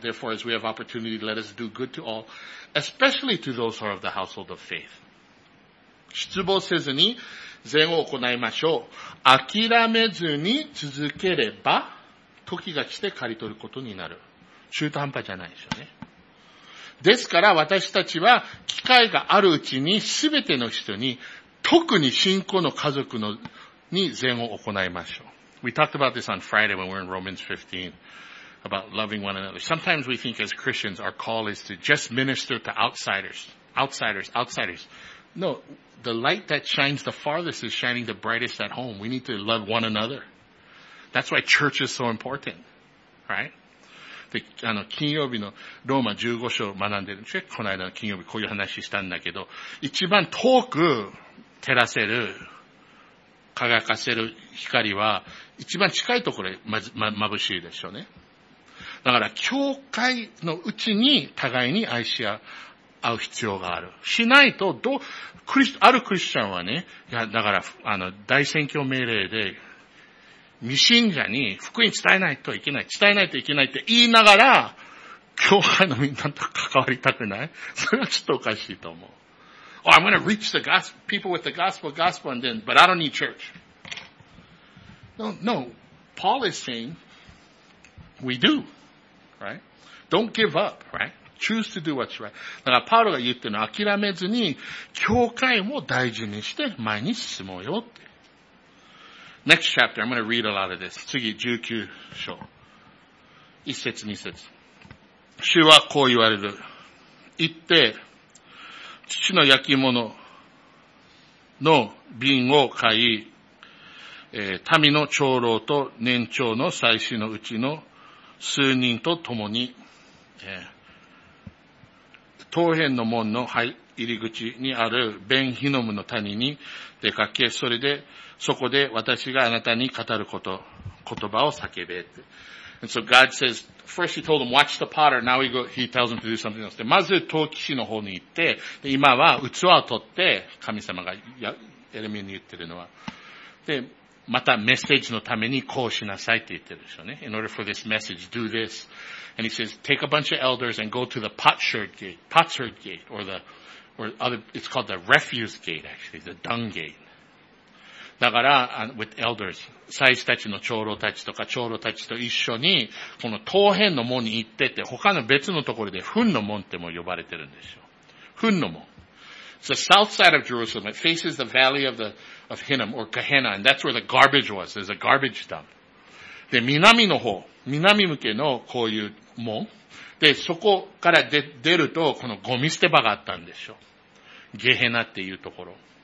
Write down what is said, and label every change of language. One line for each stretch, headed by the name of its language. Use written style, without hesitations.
English: Therefore, as we have opportunity, let us do good to all, especially to those who are of the household of faith.
Japanese: 失望せずに善を行いましょう。諦めずに続ければ時が来て刈り取ることになる。中途半端じゃないでしょうね。ですから私たちは機会があるうちに全ての人に特に信仰の家族のに善を行いましょう。
English: We talked about this on Friday when we were in Romans 15 about loving one another. Sometimes we think as Christians our call is to just minister to outsiders. Outsiders, outsiders. No, the light that shines the farthest is shining the brightest at home. We need to love one another. That's why church is so important. Right?
Japanese: で、金曜日のローマ15章を学んでるんですよ。この間の金曜日こういう話したんだけど、一番遠く照らせる、輝かせる光は、一番近いところでまぶしいでしょうね。だから、教会のうちに互いに愛し合う必要がある。しないと、あるクリスチャンはね、いや、だから、大宣教命令で、未信者に福音伝えないといけない、伝えないといけないって言いながら、教会のみんなと関わりたくない。それはちょっとおかしいと思う。
English: Oh, I'm going to reach the gospel, people with the gospel, gospel, and then, but I don't need church. No, no. Paul is saying, we do, right? Don't give up, right? Choose to do what's right.
Japanese: だから、パウロが言ってるのは諦めずに、教会も大事にして前に進もうよって。
English: Next chapter, I'm going to read a lot of this.
Japanese: 次、19章。一節、二節。主はこう言われる。言って、父の焼き物の瓶を買い、民の長老と年長の祭司のうちの数人と共に、当辺の門の入り口にあるベンヒノムの谷に出かけ、それで、そこで私があなたに語ること、言葉を叫べ。
English: And so God says, first he told him, watch the potter, now he tells him to do something else.
Japanese: で、まず陶器師の方に行って、で今は器を取って、神様がエレミアに言ってるのは。で、またメッセージのためにこうしなさいって言ってるでしょうね。
English: In order for this message, do this. And he says, take a bunch of elders and go to the potsherd gate, or other, it's called the refuse gate actually, the dung gate.
Japanese: だから、
English: with elders,
Japanese: 祭司たちの長老たちとか長老たちと一緒に、この当辺の門に行ってて、他の別のところで、糞の門っても呼ばれてるんですよ。糞の門。
English: It's the south side of Jerusalem. It faces the valley of Hinnom, or Gehenna, and that's where the garbage was. There's a garbage dump.
Japanese: で、南の方、南向けのこういう門。で、そこから出ると、このゴミ捨て場があったんですよ。ゲヘナっていうところ。